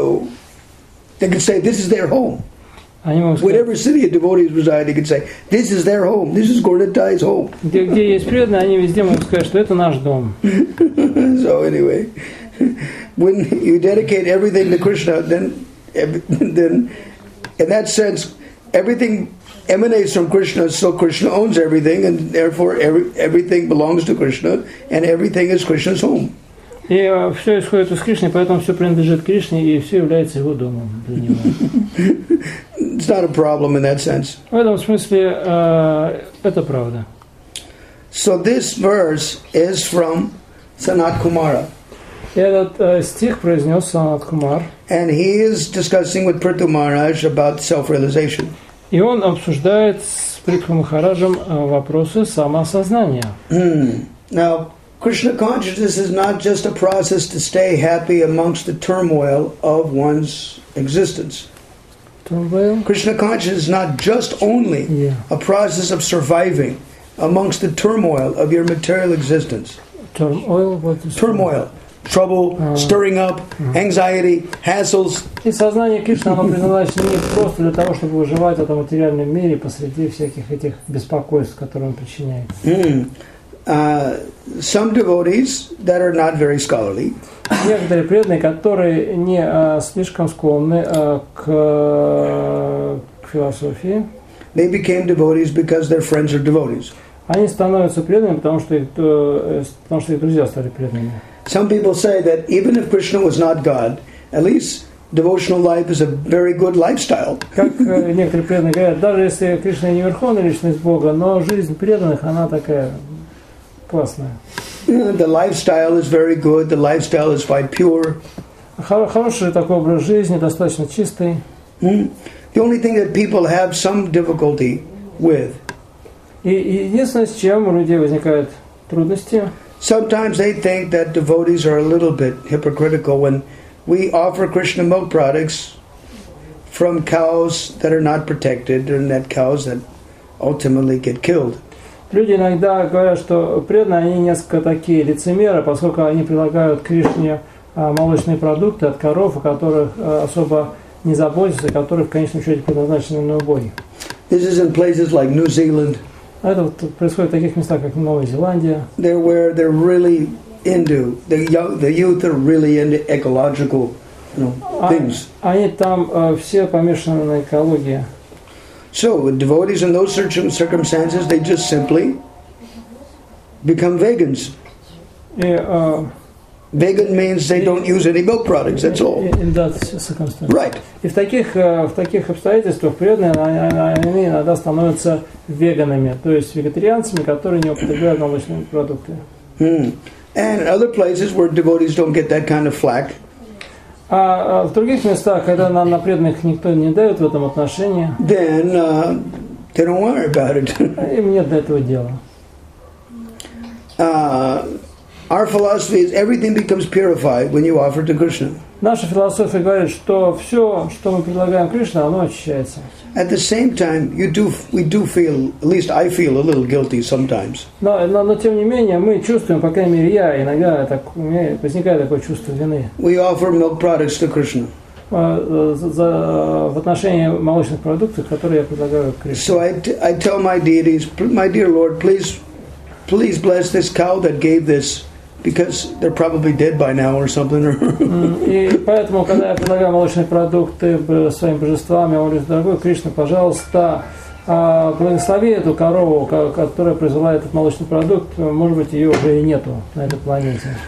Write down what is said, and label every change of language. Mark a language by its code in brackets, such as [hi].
[en] So they could say this is their home. Whatever city a devotee is residing, they could say this is their home. This is Gornatai's home. [ru] Где есть преданные, они везде могут сказать, что это наш дом. [en] So anyway, when you dedicate everything to Krishna, then in that sense, everything emanates from Krishna, so Krishna owns everything, and therefore everything belongs to Krishna, and everything is Krishna's home. [ru] И все исходит из Кришны, поэтому все принадлежит Кришне, и все является его домом для него. [en] It's not a problem in that sense. [ru] В этом смысле это правда. [en] So this verse is from Sanat Kumara. [ru] Этот стих произнес Санат Кумар. [en] And he is discussing with Prithu Maharaj about self-realization. [ru] И он обсуждает с Притху Махараджем вопросы самосознания. [en] Now, Krishna consciousness is not just a process to stay happy amongst the turmoil of one's existence. Turmoil? Krishna consciousness is not just only a process of surviving amongst the turmoil of your material existence. Turmoil? What is turmoil? Trouble, stirring up, anxiety, hassles. [ru] И сознание Кришны, оно предназначено не просто для того, чтобы выживать в этом материальном мире посреди всяких этих беспокойств, которые он причиняет. [en] Some devotees that are not very scholarly. [ru] Некоторые преданные, которые не слишком склонны к философии. [en] They became devotees because their friends are devotees. [ru] Они становятся преданными, потому что их друзья стали преданными. [en] Some people say that even if Krishna was not God, at least devotional life is a very good lifestyle. [ru] Как некоторые преданные говорят, даже если Кришна не верховная личность Бога, но жизнь преданных она такая классная. [en] The lifestyle is very good. The lifestyle is quite pure. [ru] Хороший такой образ жизни, достаточно чистый. [en] The only thing that people have some difficulty with. [ru] И единственное, с чем у людей возникают трудности. [en] Sometimes they think that devotees are a little bit hypocritical when we offer Krishna milk products from cows that are not protected and that cows that ultimately get killed. [ru] Люди иногда говорят, что преданные, они несколько такие лицемеры, поскольку они предлагают Кришне молочные продукты от коров, о которых особо не заботятся, которые в конечном счете предназначены на убой. [en] This is in places like New Zealand. [ru] Это вот происходит в таких местах, как Новая Зеландия. [en] They're where they're really into, the youth are really into ecological, things. [ru] Они там все помешаны на экологии. [en] So, with devotees in those circumstances, they just simply become vegans. Vegan means they don't use any milk products, that's all. In that circumstance. Right. [ru] И в таких обстоятельствах преданные, они иногда становятся веганами, то есть вегетарианцами, которые не употребляют молочные продукты. [en] And other places where devotees don't get that kind of flack. [ru] А в других местах, когда на преданных никто не дает в этом отношении, [en] then, they don't worry about it. [ru] Им нет до этого дела. [en] Our philosophy is everything becomes purified when you offer to Krishna. [ru] Наша философия говорит, что все, что мы предлагаем Кришне, оно очищается. [en] At the same time, we do feel, at least I feel a little guilty sometimes. [ru] Но тем не менее, мы чувствуем, по крайней мере, я иногда так, у меня возникает такое чувство вины. [en] We offer milk products to Krishna. [ru] В отношении молочных продуктов, которые я предлагаю Кришне. [en] So I tell my deities, my dear Lord, please bless this cow that gave this. Because they're probably dead by now or something. [ru] И поэтому, когда я предлагаю молочные продукты своим божествам, я говорю, дорогой Кришна, пожалуйста, благослови эту корову, которая произвела этот молочный продукт. Может быть, ее уже и нету на этой планете.